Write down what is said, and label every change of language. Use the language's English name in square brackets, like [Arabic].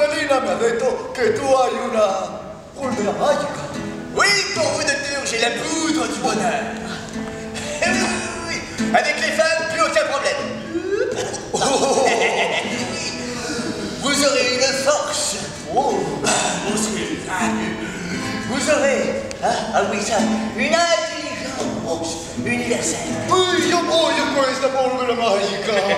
[Italian] Mi ha detto che tu hai una polvere magica. [French] Oui, pourvu de Dieu, j'ai la poudre du bonheur. Oui, avec les femmes, plus aucun problème. Oh. Vous aurez une force. Oh, vous aurez, ah oui, ça, une intelligence universelle. Oui, je [Italian] voglio questa polvere magica.